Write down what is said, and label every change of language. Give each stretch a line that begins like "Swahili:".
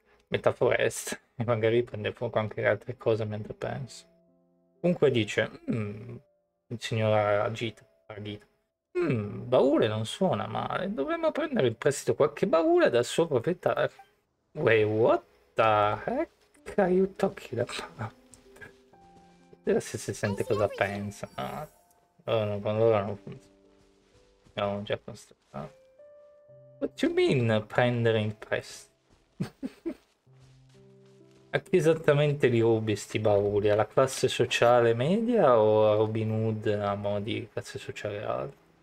Italian: Metà foresta e magari prende fuoco anche le altre cose mentre penso. Comunque dice il signora Ardita, baule non suona male, dovremmo prendere in prestito qualche baule dal suo proprietario.
English: Wait, what the heck are you talking about?
Italian: Vedere se si sente cosa pensa, no? Allora non funziona, abbiamo già constatato.
English: What do you mean
Italian: prendere in prestito? A chi esattamente li rubi sti bauli? Alla classe sociale media o a Robin Hood a mo' di classe sociale alta?